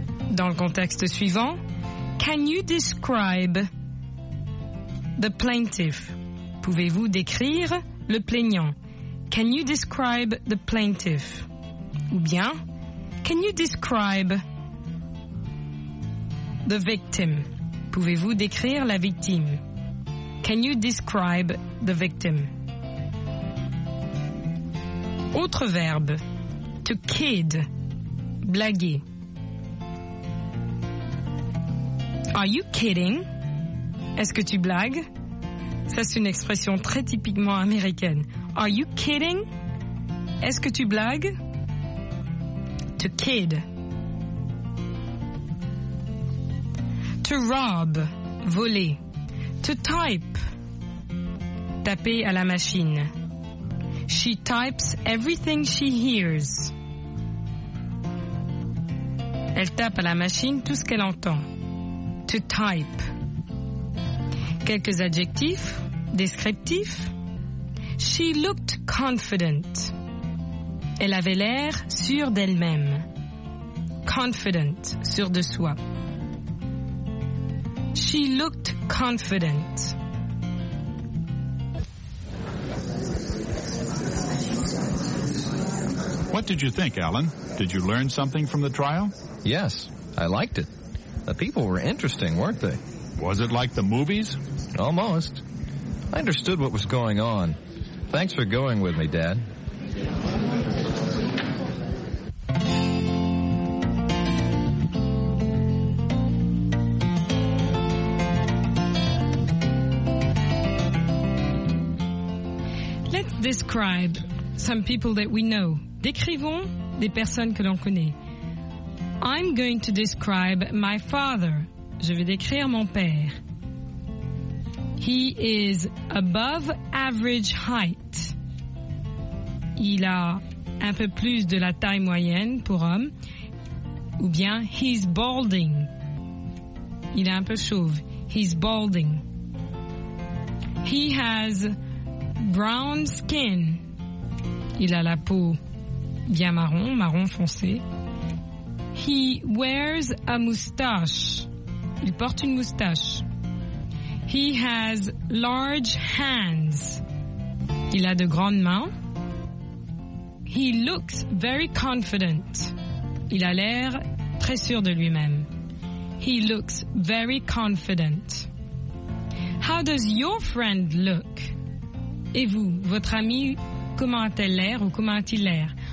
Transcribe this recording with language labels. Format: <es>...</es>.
<fr>Dans le contexte suivant,</fr> <en>can you describe the plaintiff?</en> <fr>Pouvez-vous décrire le plaignant?</fr> <en>Can you describe the plaintiff?</en> <fr>Ou bien,</fr> <en>can you describe the victim?</en> <fr>Pouvez-vous décrire la victime?</fr> <en>Can you describe the victim?</en> <fr>Autre verbe, to kid, blaguer.</fr> <en>Are you kidding?</en> <fr>Est-ce que tu blagues? Ça, c'est une expression très typiquement américaine.</fr> <en>Are you kidding?</en> <fr>Est-ce que tu blagues?</fr> <en>To kid. To rob, voler.</en> <fr>To type, taper à la machine.</fr> <en>She types everything she hears.</en> <fr>Elle tape à la machine tout ce qu'elle entend. To type. Quelques adjectifs descriptifs.</fr> <en>She looked confident.</en> <fr>Elle avait l'air sûre d'elle-même. Confident, sûre de soi.</fr> <en>She looked confident. What did you think, Alan? Did you learn something from the trial? Yes, I liked it. The people were interesting, weren't they? Was it like the movies? Almost. I understood what was going on. Thanks for going with me, Dad. Let's describe some people that we know.</en> <fr>Décrivons des personnes que l'on connaît.</fr> <en>I'm going to describe my father.</en> <fr>Je vais décrire mon père.</fr> <en>He is above average height.</en> <fr>Il a un peu plus de la taille moyenne pour homme. Ou bien,</fr> <en>he's balding.</en> <fr>Il est un peu chauve.</fr> <en>He's balding. He has brown skin.</en> <fr>Il a la peau bien marron, marron foncé.</fr> <en>He wears a moustache.</en> <fr>Il porte une moustache.</fr> <en>He has large hands.</en> <fr>Il a de grandes mains.</fr> <en>He looks very confident.</en> <fr>Il a l'air très sûr de lui-même.</fr> <en>He looks very confident. How does your friend look?</en> <fr>Et vous, votre ami, comment a-t-elle l'air ou comment a-t-il l'air?</fr>